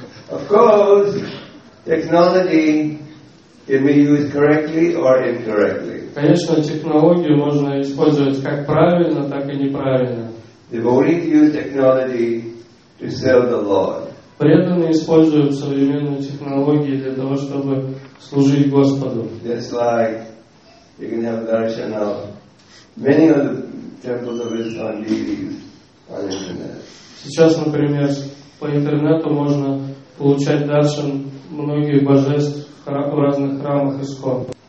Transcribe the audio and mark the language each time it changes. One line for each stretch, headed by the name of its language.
English: Of course, technology can be used correctly or incorrectly.
Russian: Конечно, технологию можно использовать как правильно, так и неправильно. Преданные используют современные технологии для того, чтобы служить Господу.
English: Just like you can have darshan of many of the temples of Islam deities on internet.
Russian: Сейчас, например, по интернету можно получать даршан многих божеств в разных храмах ИСКОН.